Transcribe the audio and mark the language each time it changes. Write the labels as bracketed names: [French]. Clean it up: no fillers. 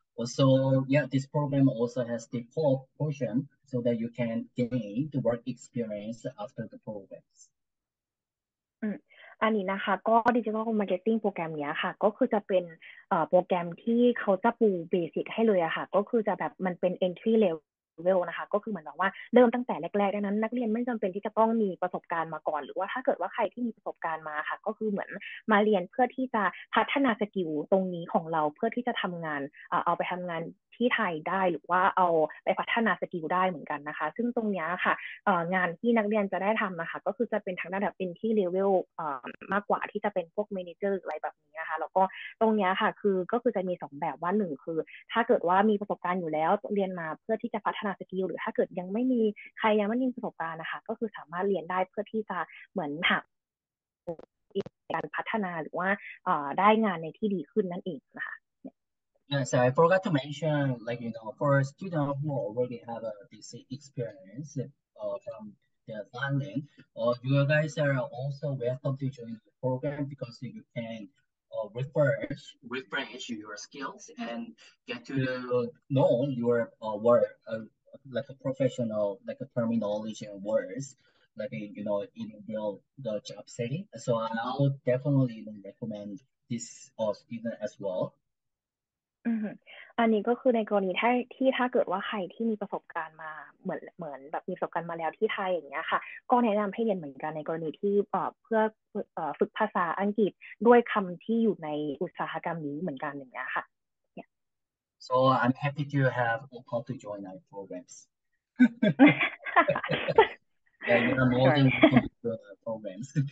[English] Also, this program also has the core portion so that you can gain the work experience after the programs. [Thai] อันนี้นะคะก็ Digital Marketing โปรแกรมเนี้ยค่ะก็คือจะเป็นโปรแกรมที่เขาจะปูเบสิกให้เลยอะค่ะก็คือจะแบบมันเป็น entry level level นะคะก็คือเหมือนแบบว่าเริ่มตั้งแต่แรกๆดังนั้นนักเรียนไม่จําเป็นที่จะต้องมีประสบการณ์มาก่อนหรือว่าถ้าเกิดว่าใครที่มีประสบการณ์มาค่ะก็คือเหมือนมาเรียนเพื่อที่จะพัฒนาสกิลตรงนี้ของเราเพื่อที่จะทํางานเอาไปทํางานที่ไทยได้หรือว่าเอาไปพัฒนาสกิลได้เหมือนกันนะคะซึ่งตรงนี้ค่ะงานที่นักเรียนจะได้ทํานะคะก็คือจะเป็นทางด้านแบบเป็นที่ level มากกว่าที่จะเป็นพวกเมเนเจอร์อะไรแบบนี้นะคะแล้วก็ตรงนี้ค่ะคือก็คือจะมี2แบบว่าหนึ่งคือถ้าเกิดว่ามีประสบการณ์อยู่แล้วเรียนมาเพื่อที่จะพัฒนาสกิลหรือถ้าเกิดยังไม่มีใครยังไม่มีประสบการณ์นะคะก็คือสามารถเรียนได้เพื่อที่จะเหมือนหาการพัฒนาหรือว่าได้งานในที่ดีขึ้นนั่นเองนะคะ [English] So I forgot to mention, like, you know, for students who already have a this experience from the landing, you guys are also welcome to join the program because you can refresh your skills and get to know your work, like a professional, like a terminology and words, like, you know, in the job setting. So I would definitely recommend this student as well. [Thai] อันนี้ก็คือในกรณีที่ถ้าเกิดว่าใครที่มีประสบการณ์มาเหมือนแบบมีประสบการณ์มาแล้วที่ไทยอย่างเงี้ยค่ะก็แนะนําให้เรียนเหมือนกันในกรณีที่เพื่อฝึกภาษาอังกฤษด้วยคําที่อยู่ในอุตสาหกรรมนี้เหมือนกันอย่างเงี้ยค่ะ [English] So I'm happy to have opportunity to join our programs. Yeah, you are more sorry than welcome to join our programs.